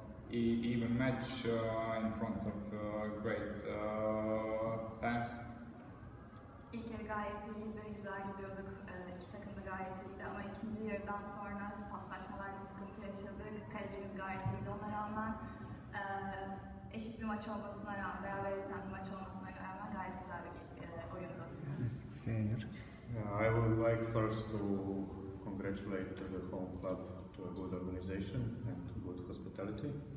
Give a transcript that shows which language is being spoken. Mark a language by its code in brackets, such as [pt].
[en] Even match in front of great fans. [tr] İlk yarı gayet iyiydi, güzel gidiyorduk. İki takım da gayet iyiydi ama ikinci yarıdan sonra paslaşmalarda sıkıntı yaşadık. Kalecimiz gayet iyiydi. Ona rağmen eşit bir maç olmasına rağmen, beraber biten bir maç olmasına rağmen gayet güzel bir oyundu. [en] Yes. Yeah, I would like first to congratulate the home club to a good organization and good hospitality.